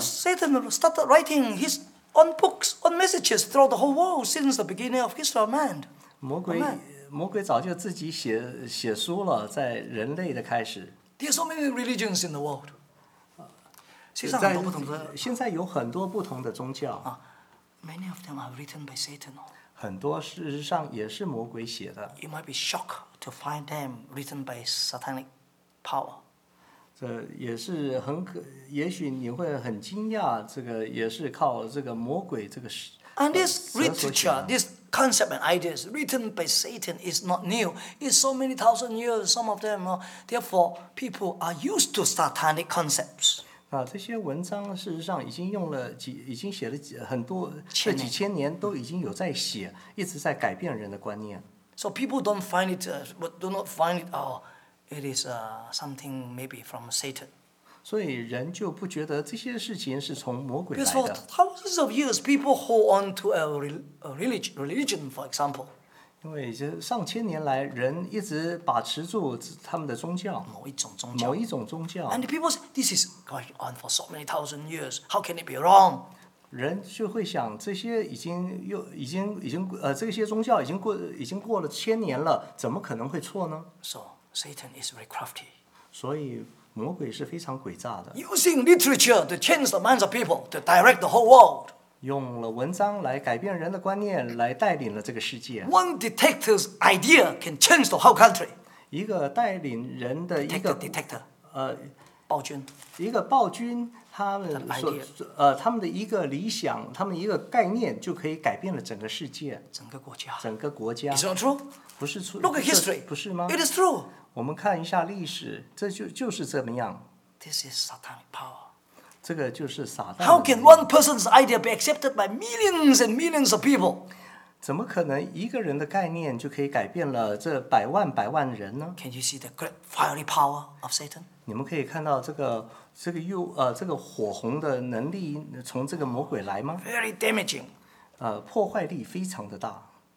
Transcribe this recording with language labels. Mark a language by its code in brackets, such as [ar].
[en] So Satan started writing his own books, own messages throughout the whole world since the beginning of history of man. [zh] 魔鬼早就自己 写书了，在人类的开始。 [en] There are so many religions in the world. [zh] 现在有很多不同的宗教。 [en] Many of them are written by Satan. [zh] 很多事实上也是魔鬼写的。 [en] You might be shocked to find them written by satanic power. [zh] 这也是很可，也许你会很惊讶，这个也是靠这个魔鬼这个蛇所写的。 [en] And this literature, this. Concept and ideas written by Satan is not new. It's so many thousand years. Some of them, therefore, people are used to satanic concepts. [zh] 那这些文章事实上已经用了几，已经写了很多，这几千年都已经有在写，一直在改变人的观念。 [en] So people don't find it, do not find it, It is something maybe from Satan. [zh] 所以人就不觉得这些事情是从魔鬼来的。 [en] Because for thousands of years, people hold on to a religion, for example. [zh] 因为这上千年来，人一直把持住他们的宗教。某一种宗教。某一种宗教。 [en] And people say, this is going on for so many thousand years. How can it be wrong? [zh] 人就会想，这些这些宗教已经过了千年了，怎么可能会错呢 [en] ？So Satan is very crafty. [zh] 所以魔鬼是非常诡诈的。 [en] Using literature to change the minds of people to direct the whole world. [zh] 用了文章来改变人的观念，来带领了这个世界。 [en] One detector's idea can change the whole country. [zh] 一个带领人的一个 detector， 暴君，一个暴君。他们的一个理想，他们一个概念，就可以改变了整个世界，整个国家，整个国家。 [en] Is it true? [zh] 不是错。 [en] Look at history. [zh] 不是吗 [en] ？It is true. [zh] 我们看一下历史，这就是这么样。 [en] This is satanic power. [zh] 这个就是撒旦。 [en] How can one person's idea be accepted by millions and millions of people? [zh] 怎么可能一个人的概念就可以改变了这百万百万人呢 [en] ？Can you see the great fiery power of Satan? [zh] 你们可以看到这个火红的能力从这个魔鬼来吗 [en] ？Very damaging， [zh] 破坏力非常的大。